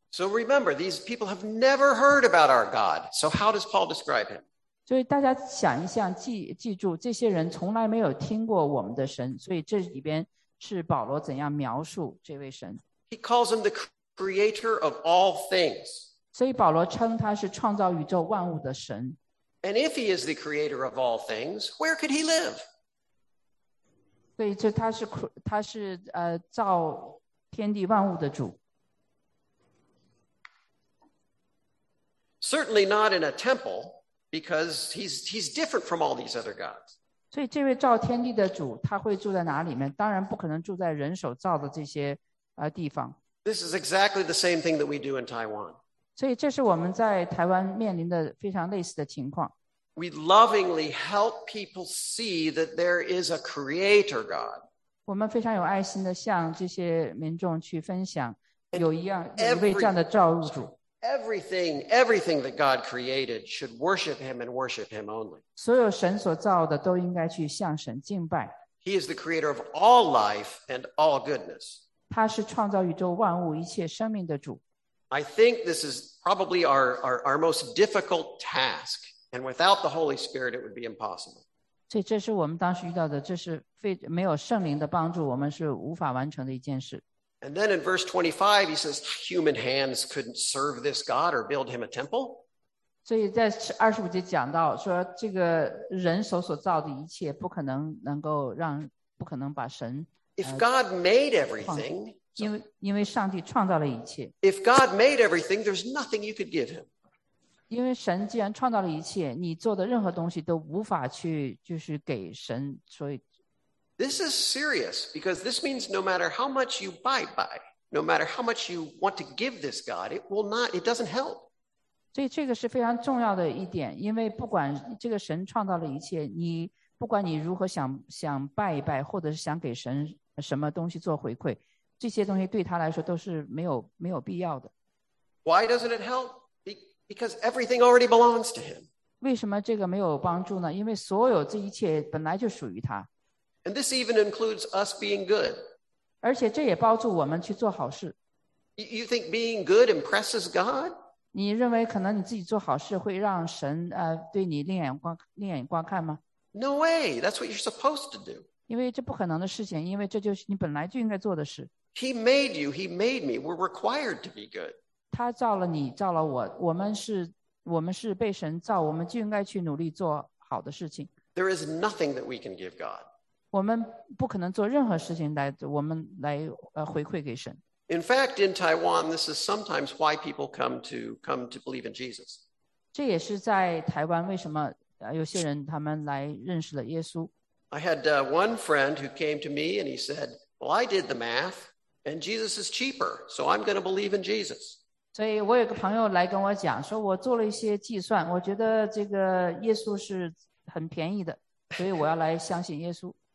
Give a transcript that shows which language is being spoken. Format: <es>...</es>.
<en>So remember, these people have never heard about our God. So how does Paul describe him?</en> <zh>所以大家想一想，记住，这些人从来没有听过我们的神，所以这里边是保罗怎样描述这位神。</zh> <en>He calls him the creator of all things.</en> <zh>所以保罗称他是创造宇宙万物的神。</zh> <en>And if he is the creator of all things, where could he live?</en> <zh>所以这他是造天地万物的主。</zh> <en>Certainly not in a temple, because he's different from all these other gods.</en> <zh>所以这位造天地的主，他会住在哪里面？当然不可能住在人手造的这些地方。</zh> <en>This is exactly the same thing that we do in Taiwan.</en> <zh>所以这是我们在台湾面临的非常类似的情况。</zh> <en>We lovingly help people see that there is a creator God.</en> <zh>我们非常有爱心的向这些民众去分享，有一样一位这样的造物主。</zh> <en>Everything that God created should worship him and worship him only.</en> <zh>所有神所造的都应该去向神敬拜。</zh> <en>He is the creator of all life and all goodness.</en> <zh>他是创造宇宙万物一切生命的主。</zh> <en>I think this is probably our most difficult task, and without the Holy Spirit it would be impossible.</en> <zh>所以这是我们当时遇到的，这是没有圣灵的帮助，我们是无法完成的一件事。</zh> <en>And then in verse 25, he says, human hands couldn't serve this God or build him a temple.</en> <zh>所以在25节讲到说，这个人手所造的一切不可能能够让，不可能把神。</zh> <en>If God made everything,</en> <zh>因为上帝创造了一切。</zh> <en>If God made everything, there's nothing you could give him.</en> <zh>因为神既然创造了一切，你做的任何东西都无法去就是给神，所以。</zh> <en>This is serious, because this means no matter how much you buy, no matter how much you want to give this God, it doesn't help.</en> <zh>所以这个是非常重要的一点，因为不管这个神创造了一切，你不管你如何想拜一拜，或者是想给神什么东西做回馈，这些东西对他来说都是没有必要的。</zh> <en>Why doesn't it help? Because everything already belongs to him.</en> <zh>为什么这个没有帮助呢？因为所有这一切本来就属于他。</zh> <en>And this even includes us being good.</en> <zh>而且这也帮助我们去做好事。</zh> <en>You think being good impresses God?</en> <zh>你认为可能你自己做好事会让神对你另眼观看吗？</zh> <en>No way, that's what you're supposed to do.</en> <zh>因为这不可能的事情，因为这就是你本来就应该做的事。</zh> <en>He made you, he made me, we're required to be good.</en> <zh>他造了你，造了我，我们是被神造，我们就应该去努力做好的事情。</zh> <en>There is nothing that we can give God.</en> <zh>我们不可能做任何事情来我们来回馈给神。</zh> <en>In fact, in Taiwan, this is sometimes why people come to believe in Jesus.</en> <zh>这也是在台湾为什么有些人他们来认识了耶稣。</zh> <en>I had one friend who came to me and he said, well, I did the math and Jesus is cheaper, so I'm going to believe in Jesus.</en> <zh>所以我有个朋友来跟我讲说我做了一些计算，我觉得这个耶稣是很便宜的，所以我要来相信耶稣。</zh>